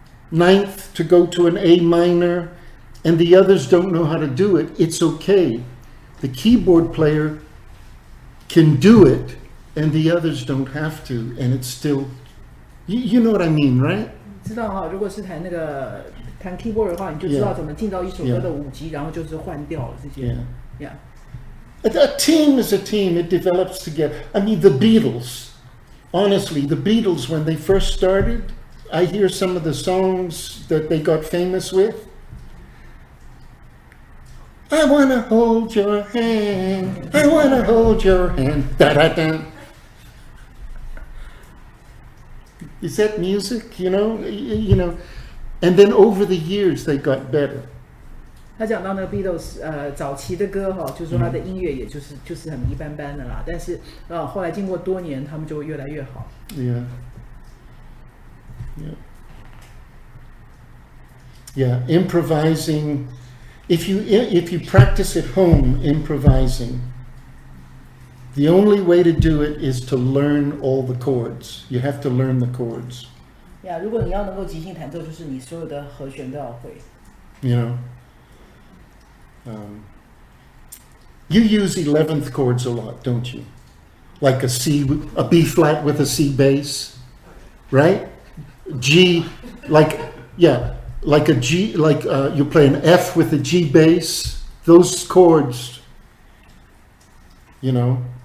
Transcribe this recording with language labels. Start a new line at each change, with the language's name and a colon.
English: Ninth to go to an A minor, and the others don't know how to do it, it's okay. The keyboard player can do it, and the others don't have to, and it's still, you know what I mean, right?
Chinese: 知道哈，如果是弹那个弹 keyboard 的话，你就知道怎么进到一首歌的五级，然后就是换调了这些。
English: Yeah. A team is a team. It develops together. I mean, the Beatles. Honestly, the Beatles when they first started. I hear some of the songs that they got famous with. I wanna hold your hand. I wanna hold your hand. Da da da. Is that music? You know. And then over the years, they got better.
Chinese: 他讲到那个 Beatles 早期的歌哈，就是说他的音乐也就是很一般般的啦。但是后来经过多年，他们就越来越好。
English: Yeah. Yeah. Yeah, improvising If you practice at home improvising, the only way to do it is to learn all the chords. You have to learn the chords.
Chinese: Yeah, 如果你要能够即兴弹奏，就是你所有的和弦都要会。
English: You know, you use 11th chords a lot, don't you? Like a B flat with a C bass, right? G, like, yeah, like a G, like you play an F with a G bass, those chords, you know?